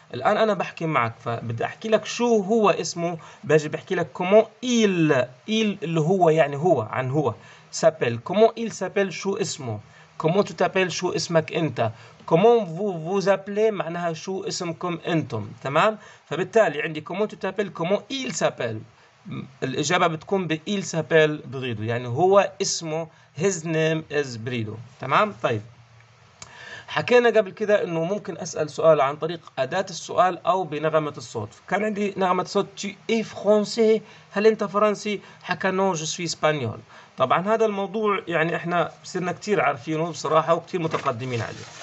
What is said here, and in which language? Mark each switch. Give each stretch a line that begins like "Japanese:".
Arabic: الان انا بحكي معك فبدي احكي لك شو هو اسمه، باجي بحكي لك كومون ايل، ايل اللي هو يعني هو، عن هو، سابيل كومون ايل سابيل شو اسمه، كومون تو تابيل شو اسمك انت، كومون فو فو زابلي معناها شو اسمكم انتم. تمام، فبالتالي عندي كومون تو تابيل، كومون ايل سابيل، الإجابة بتكون ب
French: il s'appelle Brido،
Arabic: يعني هو اسمه
English: his name is Brido.
Arabic: تمام؟ طيب حكينا قبل كده إنه ممكن أسأل سؤال عن طريق أداة السؤال أو بنغمة الصوت. كان عندي نغمة صوت
French: tu es français،
Arabic: هل أنت فرنسي؟ حكى نو جو سوي اسبانيول. طبعا هذا الموضوع يعني إحنا صرنا كتير عارفينه بصراحة وكتير متقدمين عليه.